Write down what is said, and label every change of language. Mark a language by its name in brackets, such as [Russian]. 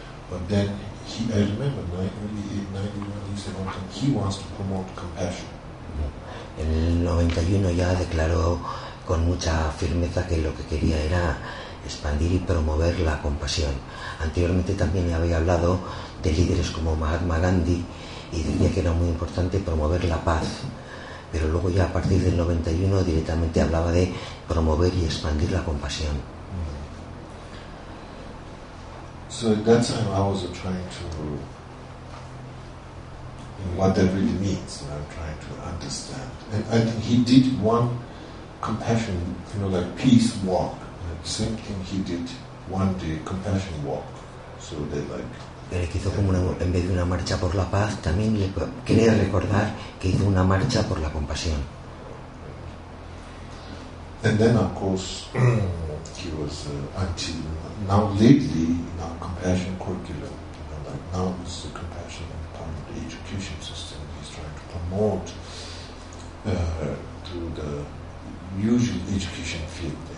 [English] But then I remember early 91, he said one time he wants to promote compassion. [Spanish] En el 91 ya declaró con mucha firmeza que lo que quería era expandir y promover la compasión. Anteriormente también había hablado de líderes como Mahatma Gandhi y decía que era muy importante promover la paz, pero luego ya a partir del 91 directamente hablaba de promover y expandir la compasión. [English] So at that time I was trying to, whatever it means, I'm trying to understand. And he did one compassion, you know, like peace walk. Same thing he did one day, compassion walk. So they like. [Spanish] Pero hizo como una, en vez de una marcha por la paz, también le quería recordar que hizo una marcha por la compasión. [English] And then, of course, he was until now. Lately, now compassion curriculum. You know, like now, this is the compassion and part of the education system. He's trying to promote to the usual education field.